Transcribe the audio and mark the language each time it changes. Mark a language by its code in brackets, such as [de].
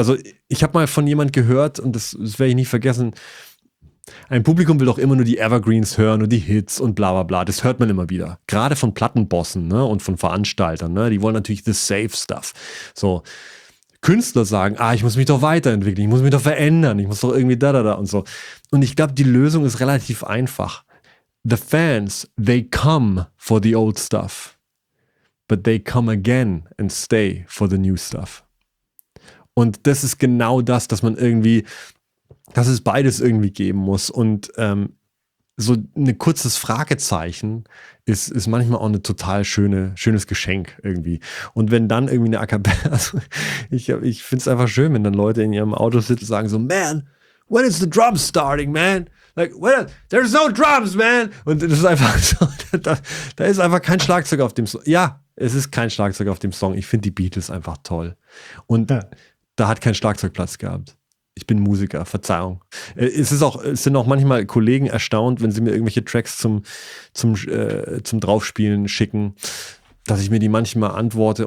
[de] Also ich habe mal von jemand gehört, und das werde ich nie vergessen, ein Publikum will doch immer nur die Evergreens hören und die Hits und bla bla bla. Das hört man immer wieder. Gerade von Plattenbossen, ne, und von Veranstaltern, ne? Die wollen natürlich [en] the safe stuff. [de] So, Künstler sagen, ich muss mich doch weiterentwickeln, ich muss mich doch verändern, ich muss doch irgendwie da da da und so. Und ich glaube, die Lösung ist relativ einfach. [en] The fans, they come for the old stuff. But they come again and stay for the new stuff. [de] Und das ist genau das, dass man irgendwie, dass es beides irgendwie geben muss. Und so ein kurzes Fragezeichen ist manchmal auch ein total schönes Geschenk irgendwie. Und wenn dann irgendwie eine Akkabelle, also ich finde es einfach schön, wenn dann Leute in ihrem Auto sitzen und sagen so, [en] man, when is the drum starting, man? Like, when, there's no drums, man! [de] Und das ist einfach so, da ist einfach kein Schlagzeug auf dem Song. Ja, es ist kein Schlagzeug auf dem Song. Ich finde die Beatles einfach toll. Und da hat kein Schlagzeug Platz gehabt. Ich bin Musiker, Verzeihung. Es sind auch manchmal Kollegen erstaunt, wenn sie mir irgendwelche Tracks zum Draufspielen schicken, dass ich mir die manchmal antworte.